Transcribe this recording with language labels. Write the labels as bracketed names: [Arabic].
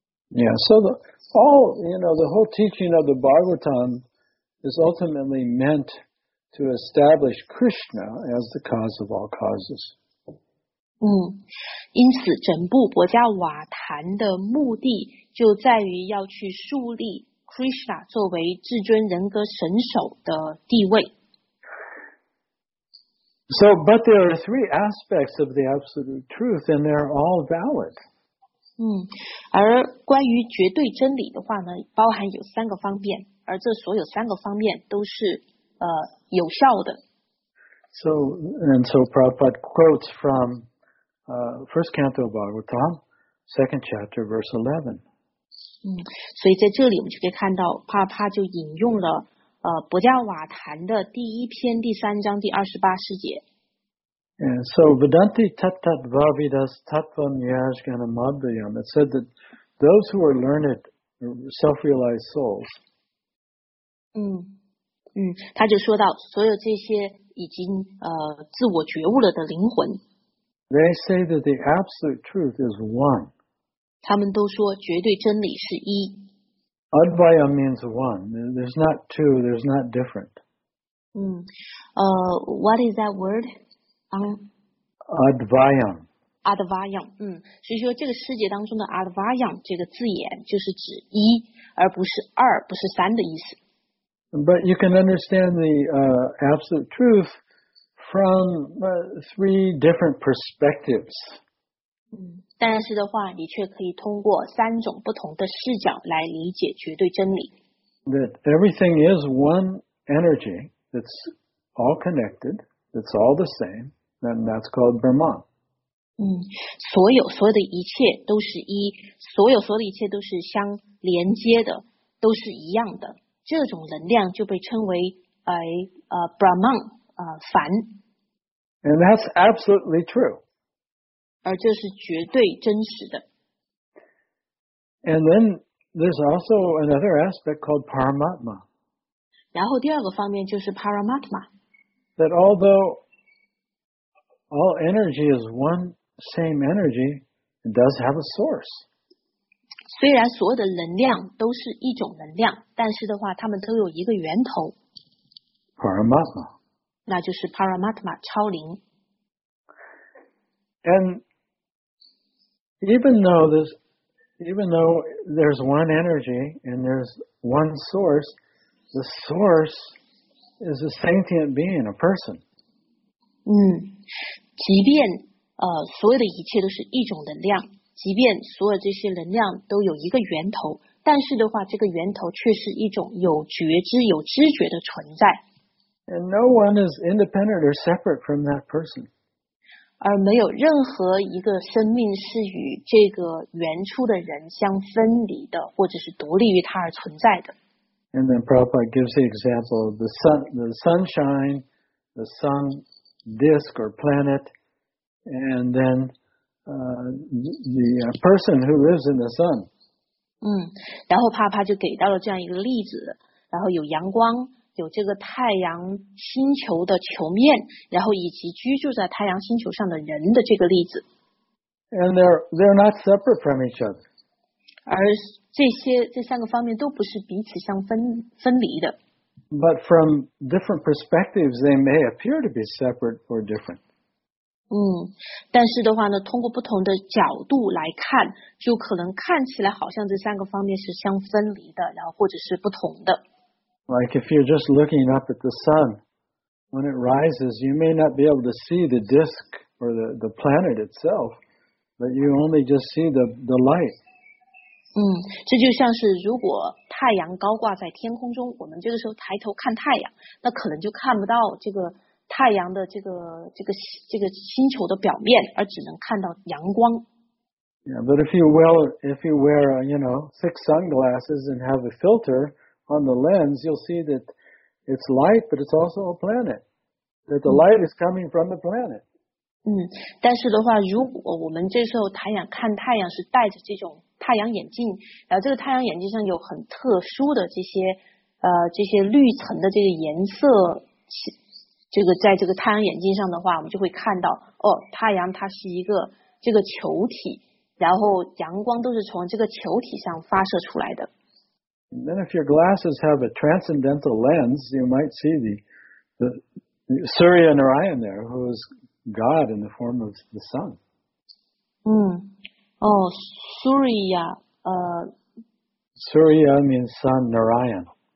[English] Yeah, so the, all, you know, the whole teaching of the Bhagavatam is ultimately meant to establish Krishna as the cause of all causes. [Chinese] 因此整部《薄伽瓦坛》的目的就在于要去树立 Krishna 作为至尊人格神首的地位。 [English] So, but there are three aspects of the absolute truth, and they're all valid. [Chinese] 而关于绝对真理的话呢，包含有三个方面，而这所有三个方面都是有效的。 [English] So, and so Prabhupada quotes from first canto of Bhagavatam, second chapter, verse 11. [Chinese] 所以在这里我们就可以看到，帕帕就引用了薄伽瓦坛的第一篇第三章第28世节。 [English] And so [Sanskrit] Vedanti Tattat Vavidas Tattvam Yajgana Madhyam, [English] it said that those who are learned self-realized souls. [Chinese] 他就说到所有这些已经自我觉悟了的灵魂。 [English] They say that the absolute truth is one. [Chinese] 他们都说绝对真理是一。 [English] Advaya means one. There's not two. There's not different. What is that word? Advayam. Advayam. [Chinese] 所以说这个世界当中的 Advayam 这个字眼就是指一，而不是二，不是三的意思。 [English] But you can understand the absolute truth from three different perspectives. [Chinese] 但是的话，你却可以通过三种不同的视角来理解绝对真理。 [English] That everything is one energy that's all connected, that's all the same, and that's called Brahman. [Chinese] 所有的一切都是一，所有的一切都是相连接的，都是一样的。这种能量就被称为Brahman, 梵。 [English] And that's absolutely true. [Chinese] 而这是绝对真实的。 [English] And then there's also another aspect called Paramatma. [Chinese] 然后第二个方面就是 Paramatma. [English] That although all energy is one same energy, it does have a source. [Chinese] 虽然所有的能量都是一种能量，但是的话，它们都有一个源头。 [English] Paramatma. [Chinese] 那就是 Paramatma 超灵。 [English] And Even though there's one energy and there's one source, the source is a sentient being, a person. [Chinese] 即便所有的一切都是一种能量，即便所有这些能量都有一个源头，但是的话，这个源头却是一种有觉知、有知觉的存在。 [English] And no one is independent or separate from that person. [Chinese] 而没有任何一个生命是与这个原初的人相分离的，或者是独立于他而存在的。 [English] And then Prabhupada gives the example of the sunshine, the sun disk or planet, and then the person who lives in the sun. [Chinese] 然后帕就给到了这样一个例子，然后有阳光。有这个太阳星球的球面，然后以及居住在太阳星球上的人的这个例子。 [English] And they're not separate from each other. [Chinese] 而这三个方面都不是彼此相分离的。 [English] But from different perspectives, they may appear to be separate or different. [Chinese] 但是的话呢，通过不同的角度来看，就可能看起来好像这三个方面是相分离的，然后或者是不同的。 [English] Like if you're just looking up at the sun, when it rises, you may not be able to see the disk or the planet itself, but you only just see the light. [Chinese] 这就像是如果太阳高挂在天空中，我们这个时候抬头看太阳，那可能就看不到这个太阳的这个星球的表面，而只能看到阳光。 [English] Yeah, but if you wear, you know, thick sunglasses and have a filter,on the lens, you'll see that it's light, but it's also a planet. That the light is coming from the planet. [Chinese] 但是的话，如果我们这时候看太阳是戴着这种太阳眼镜，然后这个太阳眼镜上有很特殊的这些绿层的这个颜色，这个在这个太阳眼镜上的话，我们就会看到，太阳它是一个这个球体，然后阳光都是从这个球体上发射出来的。 [English] And then if your glasses have a transcendental lens, you might see the Surya Narayan there, who is God in the form of the sun. [Chinese] 哦 ，Surya， [English] Surya means sun, Narayan.